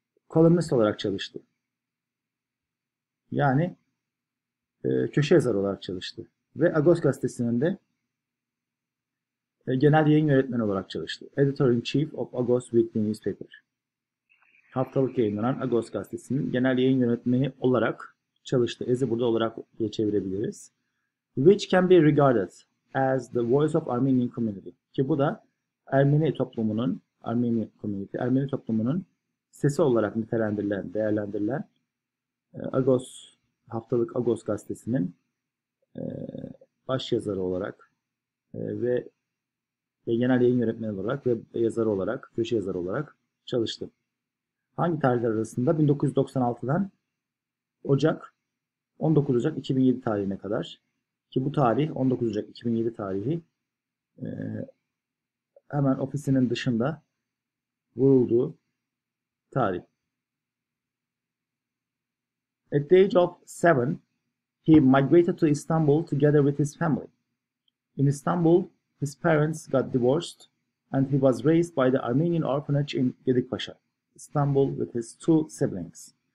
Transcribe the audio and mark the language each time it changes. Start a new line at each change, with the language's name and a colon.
Turkish: Columnist olarak çalıştı. Yani köşe yazarı olarak çalıştı. Ve Agos gazetesinin de genel yayın yönetmeni olarak çalıştı.
English: Editor in Chief of Agos Weekly Newspaper.
Turkish: Haftalık yayınlanan Agos gazetesinin genel yayın yönetmeni olarak çalıştı. Ezi burada olarak diye çevirebiliriz.
English: Which can be regarded as the voice of Armenian community.
Turkish: Ki bu da Ermeni toplumunun, Ermeni toplumunun sesi olarak nitelendirilen, değerlendirilen Agos, haftalık Agos gazetesinin baş yazarı olarak ve genel yayın yönetmeni olarak ve yazarı olarak, köşe yazarı olarak çalıştı. Hangi tarihler arasında? 1996'dan Ocak, 19 Ocak 2007 tarihine kadar. Ki bu tarih, 19 Ocak 2007 tarihi, hemen ofisinin dışında vurulduğu tarih.
English: At the age of 7, he migrated to Istanbul together with his family. In Istanbul, his parents got divorced and he was raised by the Armenian orphanage in Gedikpaşa, Istanbul, with his two siblings.